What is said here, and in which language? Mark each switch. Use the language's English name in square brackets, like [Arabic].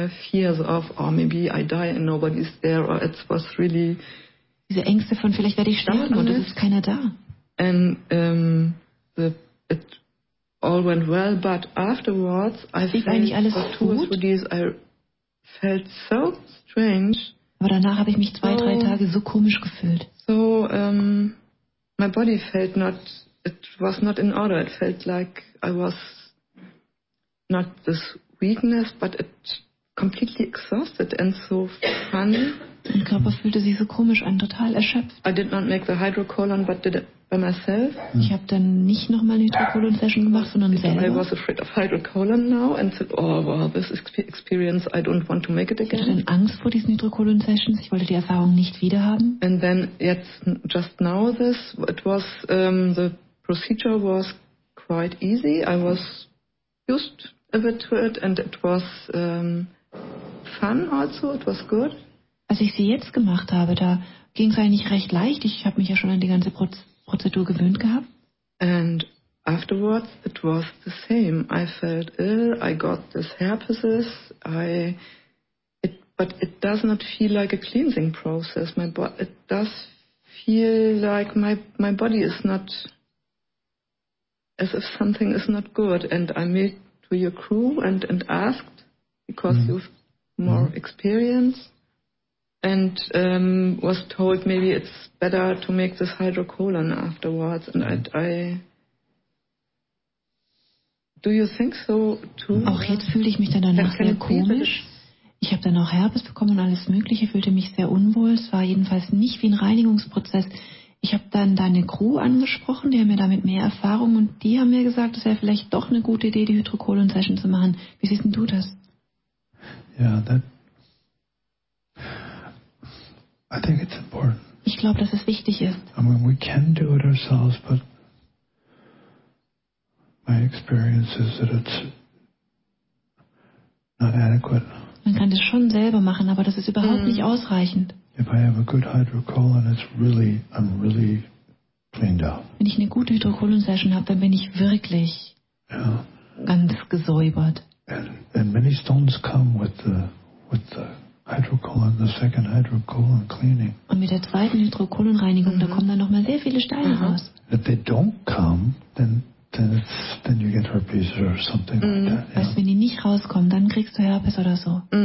[English] Fears of, or maybe I die and nobody's there, or it was really. [German] Diese Ängste von vielleicht werde ich sterben und es ist keiner da. [English] And it all went well, but afterwards I felt for 2 days I felt so strange. [German] Aber danach habe ich mich 2-3 Tage so komisch gefühlt. [English] So, my body felt not it was not in order. It felt like I was not this weakness, but it completely exhausted and so funny. [German] Mein Körper fühlte sich so komisch an, total erschöpft. [English] I did not make the hydrocolon, but did it by myself. [German] Ich habe dann nicht nochmal eine Hydrocolon-Session gemacht, sondern selber. [English] I was afraid of hydrocolon now and said, oh wow, this experience, I don't want to make it again. [German] Ich hatte Angst vor diesen Hydrocolon-Sessions, ich wollte die Erfahrung nicht wieder haben. [English] And then, jetzt, just now this, it was, the procedure was quite easy. I was used a bit to it and it was fun also, it was good. [German] Als ich sie jetzt gemacht habe, da ging es eigentlich recht leicht. Ich habe mich ja schon an die ganze Prozedur gewöhnt gehabt. [English] And afterwards it was the same. I felt ill, I got this herpes, but it does not feel like a cleansing process. It does feel like my body is not, as if something is not good. And I made to your crew and asked, because you've more experience. And was told maybe it's better to make this hydrocolon afterwards. And I do you think so too? [German] Auch jetzt fühle ich mich dann danach sehr komisch. Ich habe dann auch Herpes bekommen und alles Mögliche. Fühlte mich sehr unwohl. Es war jedenfalls nicht wie ein Reinigungsprozess. Ich habe dann deine Crew angesprochen, die haben mir damit mehr Erfahrung und die haben mir gesagt, es wäre vielleicht doch eine gute Idee, die Hydrocolon-Session zu machen. Wie siehst denn du das? Ja, das. [English] I think it's important. [German] Ich glaube, dass es wichtig ist. [English] I mean, we can do it ourselves, but my experience is that it's not adequate. [German] Man kann das schon selber machen, aber das ist überhaupt nicht ausreichend. [English] If I have a good hydrocolon, I'm really cleaned up. [German] Wenn ich eine gute Hydrocolon-Session habe, dann bin ich wirklich ganz gesäubert. [English] And many stones come with the hydrocolon, the second hydrocolon cleaning. [German] Und mit der zweiten Hydrocolon-Reinigung, da kommen dann nochmal sehr viele Steine raus. [English] If they don't come, then you get herpes or something like that. [German] Also wenn die nicht rauskommen, dann kriegst du Herpes oder so.